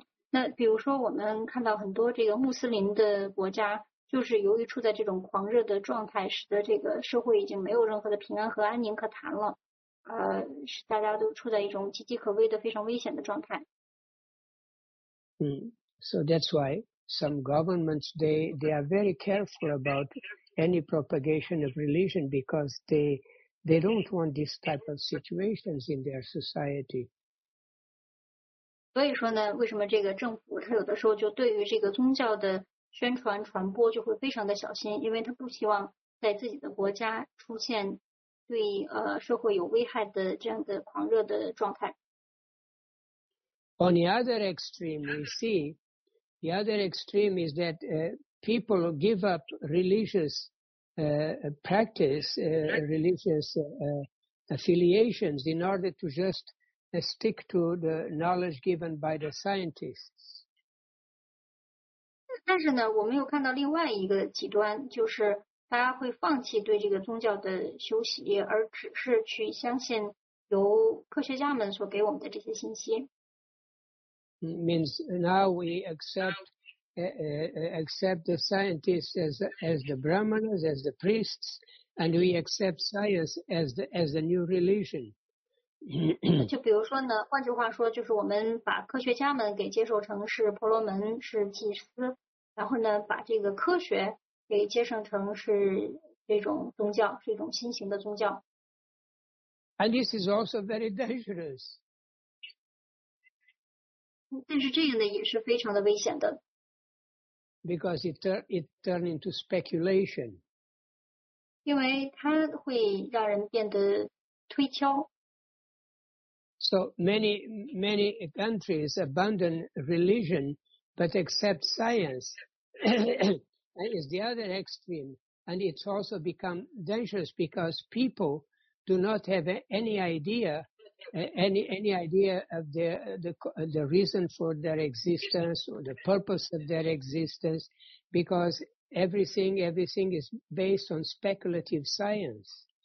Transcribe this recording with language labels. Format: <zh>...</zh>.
<zh>那比如说我们看到很多这个穆斯林的国家，就是由于处在这种狂热的状态，使得这个社会已经没有任何的平安和安宁可谈了。是大家都处在一种岌岌可危的非常危险的状态。</zh> <en>So that's why some governments, they are very careful about any propagation of religion because they don't want this type of situations in their society.</en> <zh>所以说呢，为什么这个政府他有的时候就对于这个宗教的宣传传播就会非常的小心，因为他不希望在自己的国家出现对社会有危害的这样的狂热的状态。</zh> <en>On the other extreme, we see the other extreme is that people give up religious practice, religious affiliations in order to just stick to the knowledge given by the scientists.</en> <zh>但是呢，我们又看到另外一个极端，就是大家会放弃对这个宗教的修习，而只是去相信由科学家们所给我们的这些信息。</zh> <en>Means now we accept the scientists as the brahmanas, as the priests, and we accept science as the new religion.</en> <zh>就比如说呢，换句话说，就是我们把科学家们给接受成是婆罗门，是祭司，然后呢，把这个科学给接受成是这种宗教，是一种新型的宗教。</zh> <en>And this is also very dangerous.</en> <zh>但是这样的也是非常的危险的。</zh> <en>Because it turn into speculation.</en> <zh>因为它会让人变得推敲。</zh> <en>So many countries abandon religion but accept science. is the other extreme, and it's also become dangerous because people do not have any idea of the reason for their existence or the purpose of their existence, because everything is based on speculative science.</en>